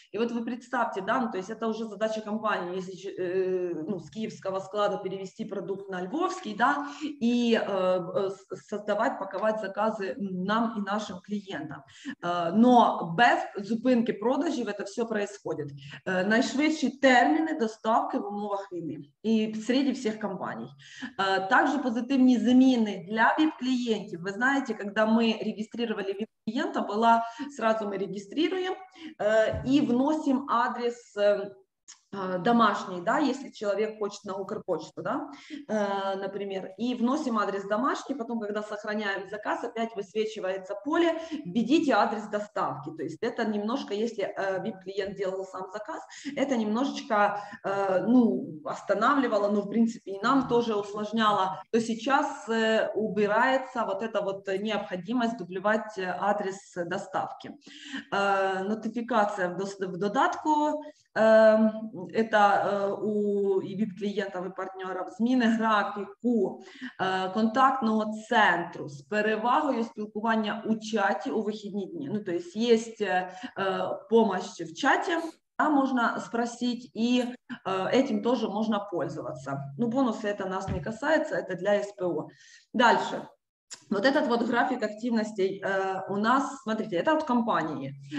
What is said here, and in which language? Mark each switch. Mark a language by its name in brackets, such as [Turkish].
[Russian] И вот вы представьте, да, ну, то есть это уже задача компании, если с киевского склада перевести продукт на львовский, да, и создавать, паковать заказы нам и нашим клиентам. Но без зупинки продажи это все происходит. [Ukrainian] Найшвидші терміни доставки в умовах війни [Russian] и среди всех компаний. Также позитивные замены для VIP-клиентов. Вы знаете, когда мы регистрировали VIP-клиента, была сразу мы регистрируем и вносим адрес домашний, да, если человек хочет на Укрпочту, да, например, и вносим адрес домашний, потом, когда сохраняем заказ, опять высвечивается поле, введите адрес доставки, то есть это немножко, если VIP-клиент делал сам заказ, это немножечко, останавливало, в принципе, и нам тоже усложняло, то сейчас убирается вот эта вот необходимость дублевать адрес доставки. [Ukrainian] Нотификация в додатку, [Russian] это у и VIP-клиентов, и партнеров, [Ukrainian] зміни графіку контактного центру с перевагою спілкування у чаті у вихідні дні. [Russian] Ну, то есть есть помощь в чате, да, можно спросить, и этим тоже можно пользоваться. Ну, бонусы это нас не касается, это для СПО. Дальше. Вот этот вот график активностей у нас, смотрите, это от компании.